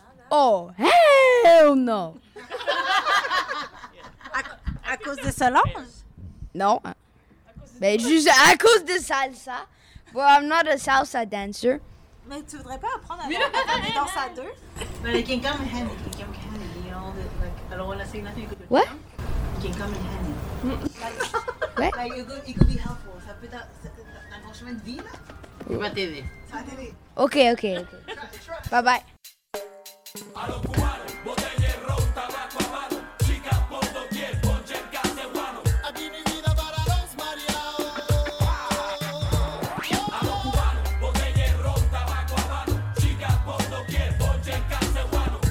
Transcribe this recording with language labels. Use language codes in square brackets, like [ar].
[en] Oh, hell no! [fr] À cause de Solange? Non. Mais juste à cause de salsa. [en] Well, I'm not a salsa dancer. [fr] Mais tu voudrais pas apprendre à faire des danses à deux? [en] But I can come handy, you know, that, like, I don't want to say nothing. What? You can come in handy. What? Like, it could be helpful. [fr] Ça peut être un changement de vie, là? Ça va t'aider. [en] Okay. Bye-bye. [es] A los cubanos, botella y ron, tabaco a mano, chica por doquier, con jerga de guano. Aquí mi vida para los mareados. A los cubanos, botella y ron, tabaco a mano, chica por doquier, con jerga de guano.